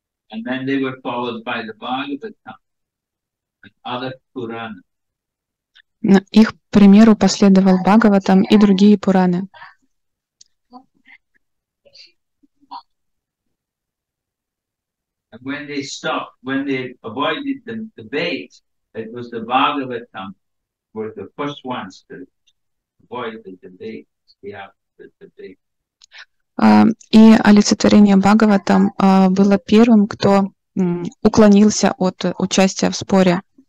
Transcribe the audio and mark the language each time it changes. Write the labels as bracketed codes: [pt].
[en] And then they were followed by the Bhagavatam and other Puranas. [ru] На их примеру последовал Бхагаватам и другие Пураны. [en] And when they stopped, when they avoided the bait, it was the Bhagavatam were the first ones to avoid the debate. Yeah, the debate. [ru] И олицетворение Бхагаватам было первым, кто уклонился от участия в споре.